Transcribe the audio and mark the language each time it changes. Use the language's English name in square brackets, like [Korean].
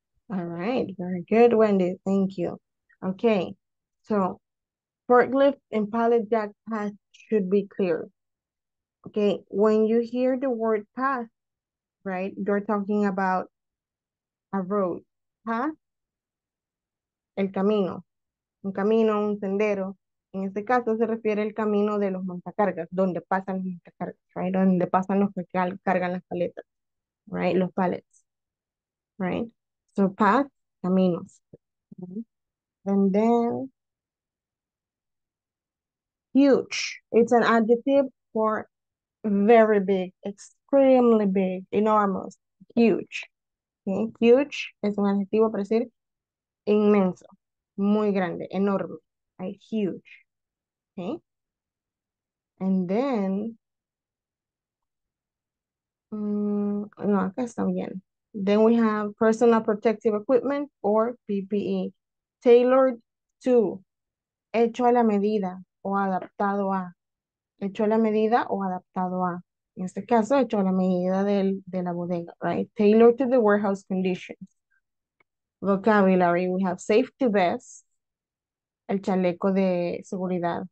[English] All right, very good, Wendy. Thank you. Okay, so forklift and pallet jack path should be clear. Okay, when you hear the word path, right, you're talking about a road. [Spanish] Path, el camino. Un camino, un sendero. En este caso se refiere al camino de los montacargas, donde pasan los montacargas, right? Donde pasan los que cargan las paletas, right? Los pallets, [English] right? So path, [Spanish] caminos. [English] And then, huge. It's an adjective for very big, extremely big, enormous, huge. Okay? [Spanish] Huge es un adjetivo para decir inmenso, muy grande, enorme, right? [English] Huge. Okay? And then, no, [Spanish] acá está bien. [English] Then we have personal protective equipment or PPE. Tailored to, [Spanish] hecho a la medida o adaptado a. Hecho a la medida o adaptado a. En este caso, hecho a la medida del, de la bodega, right? [English] Tailored to the warehouse conditions. Vocabulary, we have safety vest, [Spanish] el chaleco de seguridad.